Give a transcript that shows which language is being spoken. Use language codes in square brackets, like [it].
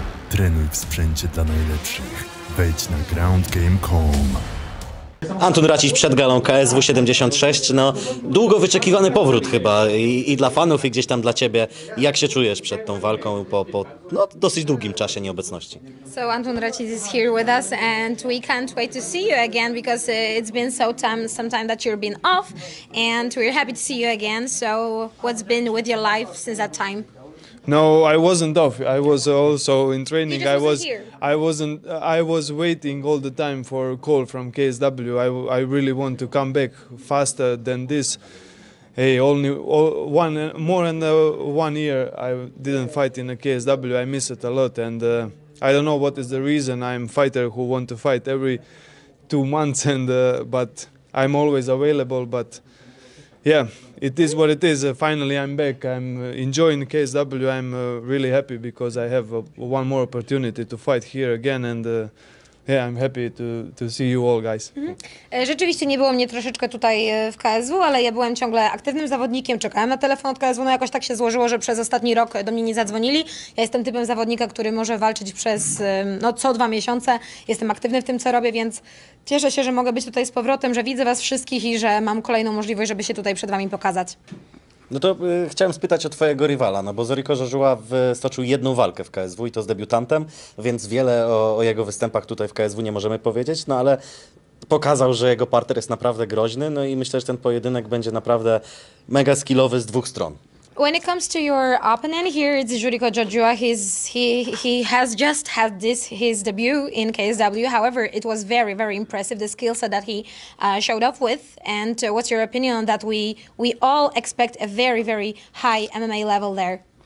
[pl] Trenuj w sprzęcie dla najlepszych. Wejdź na groundgame.com. Antun Racić przed galą KSW 76. No, długo wyczekiwany powrót chyba i dla fanów, i gdzieś tam dla ciebie. Jak się czujesz przed tą walką po no, dosyć długim czasie nieobecności? [en] So Antun Racić is here with us and we can't wait to see you again because it's been some time that you've been off and we're happy to see you again. So what's been with your life since that time? No, I wasn't off. I was also in training. You just wasn't here. I was waiting all the time for a call from KSW. I really want to come back faster than this. Hey, more than one year I didn't fight in a KSW. I miss it a lot, and I don't know what is the reason. I'm a fighter who want to fight every 2 months, and but I'm always available. But yeah, it is what it is. Finally, I'm back. I'm enjoying KSW. I'm really happy because I have one more opportunity to fight here again. And yeah, I'm happy to see you all, guys. Mm-hmm. [pl] Rzeczywiście nie było mnie troszeczkę tutaj w KSW, ale ja byłem ciągle aktywnym zawodnikiem. Czekałem na telefon od KSW. No jakoś tak się złożyło, że przez ostatni rok do mnie nie zadzwonili. Ja jestem typem zawodnika, który może walczyć przez co 2 miesiące. Jestem aktywny w tym, co robię, więc cieszę się, że mogę być tutaj z powrotem, że widzę was wszystkich i że mam kolejną możliwość, żeby się tutaj przed wami pokazać. No to chciałem spytać o twojego rywala, no bo Zoriko Żarzuła stoczył jedną walkę w KSW i to z debiutantem, więc wiele o jego występach tutaj w KSW nie możemy powiedzieć, no ale pokazał, że jego parter jest naprawdę groźny, no i myślę, że ten pojedynek będzie naprawdę mega skillowy z dwóch stron. [en] When it comes to your opponent here, it's Zoriko Żarzuła. He has just had his debut in KSW. However, it was very, very impressive, the skill set that he showed up with. And what's your opinion on that? We all expect a very, very high MMA level there.